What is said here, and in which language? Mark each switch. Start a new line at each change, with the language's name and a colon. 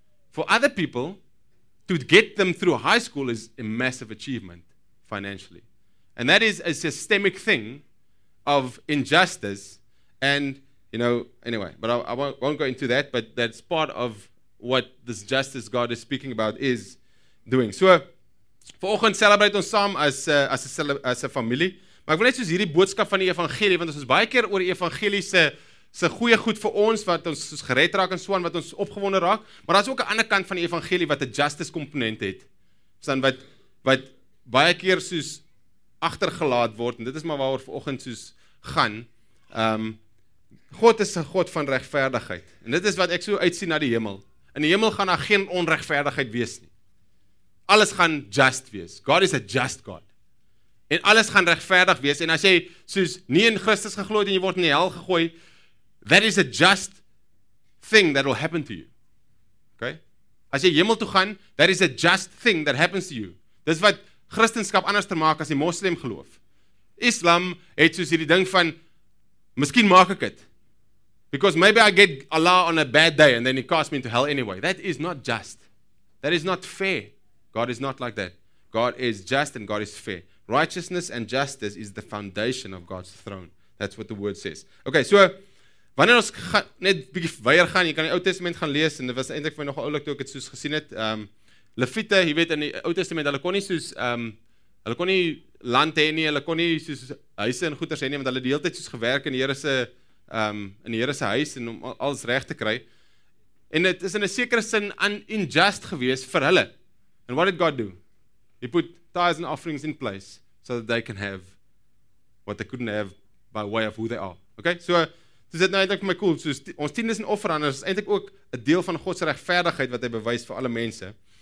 English: For other people, to get them through high school is a massive achievement financially. And that is a systemic thing of injustice. And, you know, anyway, but I won't go into that, but that's part of what this justice God is speaking about is doing.
Afrikaans: So, vanoggend celebrate ons saam
English: as a family.
Afrikaans: Maar ek wil net soos hierdie boodskap van die evangelie, want ons is baie keer oor die evangelie se goeie goed vir ons, wat ons soos gered raak en soan, wat ons opgewonde raak. Maar daar is ook 'n ander kant van die evangelie wat 'n justice komponent het. Dan wat baie keer soos agtergelaat word, en dit is maar waaroor vanoggend soos gaan. God is 'n God van regverdigheid. En dit is wat ek so uitsien na die hemel. In die hemel gaan daar geen onregverdigheid wees nie. Alles gaan just wees.
English: God is a just God.
Afrikaans: En alles gaan regverdig wees. En as jy soos nie in Christus geglo het en jy word in die hel gegooi,
English: that is a just thing that will happen to you. Okay?
Afrikaans: As jy hemel toe gaan,
English: that is a just thing that happens to you.
Afrikaans: Dis wat Christendom anders te maak as die moslim geloof. Islam het soos hierdie ding van, miskien maak ek het.
English: Because maybe I get Allah on a bad day and then he casts me into hell anyway. That is not just. That is not fair. God is not like that. God is just and God is fair. Righteousness and justice is the foundation of God's throne. That's what the word says.
Afrikaans: Okay, so, wanneer ons net bietjie verder gaan, jy kan die Ou Testament gaan lees en dit was eintlik vir my nog oulik toe ek dit soos gesien het. Levite, jy weet in die Ou Testament, hulle kon nie land hê nie, hulle kon nie soos huise en goeder hê nie, want hulle het die hele tyd soos gewerk in die Here se in die Here se huis en om alles reg te kry. En dit is in 'n sekere sin unjust geweest vir hulle.
English: And what did God do? He put tithes and offerings in place so that they can have what they couldn't have by way of who they are.
Afrikaans: Okay? So, dis net nou eintlik my cool. So, ons tiendes en offerande is eintlik ook 'n deel van God se regverdigheid wat hy bewys vir alle mense.